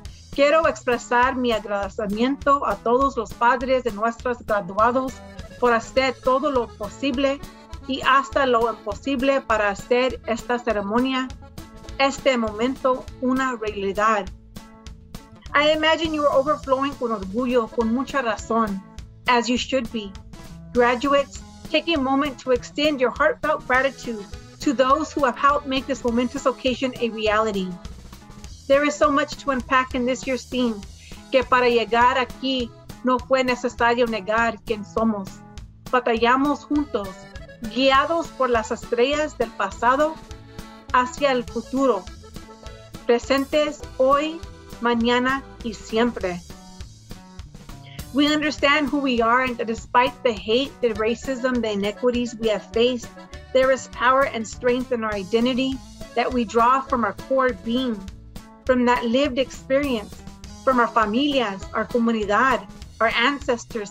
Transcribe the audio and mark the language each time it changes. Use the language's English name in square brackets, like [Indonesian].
[Spanish] Quiero expresar mi agradecimiento a todos los padres de nuestros graduados por hacer todo lo posible y hasta lo imposible para hacer esta ceremonia, este momento, una realidad. [English] I imagine you are overflowing [Spanish] con orgullo, con mucha razón, [English] as you should be. Graduates, take a moment to extend your heartfelt gratitude to those who have helped make this momentous occasion a reality. There is so much to unpack in this year's theme, [Spanish] que para llegar aquí no fue necesario negar quién somos. Batallamos juntos, guiados por las estrellas del pasado hacia el futuro, presentes hoy, mañana y siempre. [English] We understand who we are and that despite the hate, the racism, the inequities we have faced, there is power and strength in our identity that we draw from our core being, from that lived experience, from our familias, our comunidad, our ancestors.